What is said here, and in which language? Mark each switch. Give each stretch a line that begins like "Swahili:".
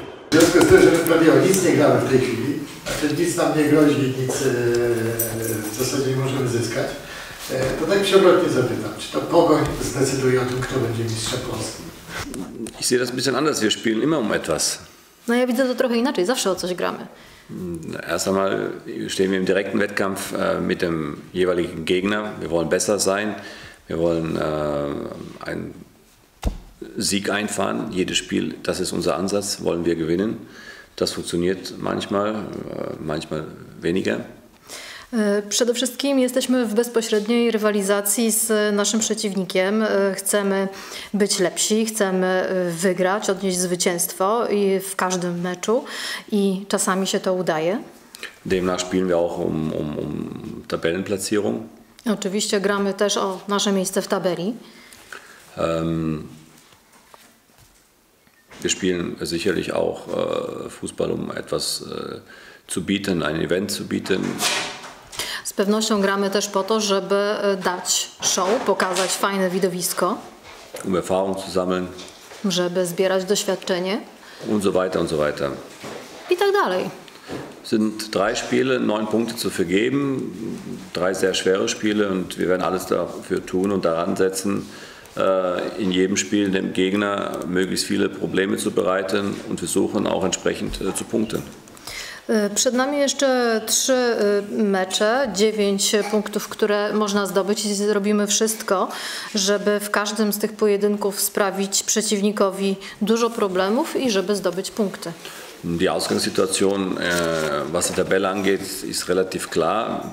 Polish: związku z tym, że prawie o nic nie gramy w tej chwili, znaczy nic nam nie grozi, nic w zasadzie nie możemy zyskać, to tak się obrotnie zapytam, czy to Pogoń zdecyduje o tym, kto będzie mistrzem Polski?
German: Ich sehe das ein bisschen anders, wir spielen immer um etwas.
Polish: No ja widzę to trochę inaczej, zawsze o coś gramy.
German: Erst einmal stehen wir im direkten Wettkampf mit dem jeweiligen Gegner. Wir wollen besser sein. Wir wollen einen Sieg einfahren. Jedes Spiel, das ist unser Ansatz, wollen wir gewinnen. Das funktioniert manchmal, manchmal weniger.
Polish: Przede wszystkim jesteśmy w bezpośredniej rywalizacji z naszym przeciwnikiem. Chcemy być lepsi, chcemy wygrać, odnieść zwycięstwo i w każdym meczu i czasami się to udaje.
German: Demnach spielen wir auch um Tabellenplatzierung.
Polish: Oczywiście gramy też o nasze miejsce w tabeli.
German: Wir spielen sicherlich auch Fußball um etwas zu bieten, ein Event zu bieten.
Polish: Z pewnością gramy też po to, żeby dać show, pokazać fajne widowisko.
German: Um Erfahrung zu sammeln.
Polish: Żeby zbierać doświadczenie.
German: Und so weiter und so weiter.
Polish: I tak dalej.
German: Sind drei Spiele, 9 Punkte zu vergeben, drei sehr schwere Spiele und wir werden alles dafür tun und daran setzen, in jedem Spiel dem Gegner möglichst viele Probleme zu bereiten und versuchen auch entsprechend zu punkten.
Polish: Przed nami jeszcze 3 mecze, 9 punktów, które można zdobyć i zrobimy wszystko, żeby w każdym z tych pojedynków sprawić przeciwnikowi dużo problemów i żeby zdobyć punkty.
German: Die Ausgangssituation, was die Tabelle angeht, ist relativ klar.